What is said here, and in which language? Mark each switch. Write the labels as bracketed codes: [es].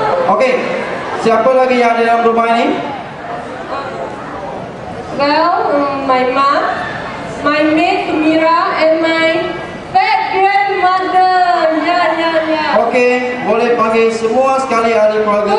[ms] Okey, siapa lagi yang ada dalam rumah ini? [en] Well, my mom, my maid Mira, and my fat grandmother. [ms] Okey, boleh panggil semua sekali ahli keluarga